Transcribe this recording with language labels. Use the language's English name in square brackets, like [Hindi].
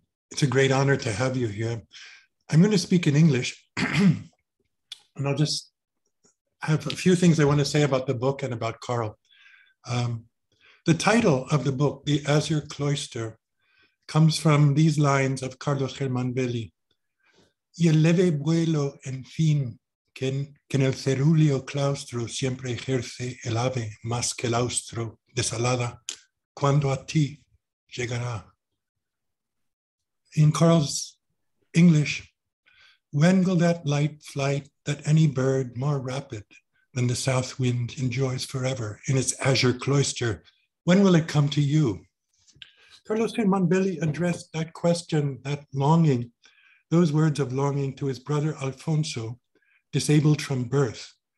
[English] It's a great honor to have you here. I'm going to speak in English, and I'll just have a few things I want to say about the book and about Carl. The title of the book, The Azure Cloister, comes from these lines of Carlos Germán Belli. [Spanish] Y el leve vuelo, en fin, que en el cerúleo claustro siempre ejerce el ave más que el austro desalada, cuando a ti llegará. [English] In Carl's English, when will that light flight that any bird more rapid than the south wind enjoys forever in its azure cloister, when will it come to you? Carlos Germán Belli addressed that question, that longing, those words of longing to his brother Alfonso, disabled from birth.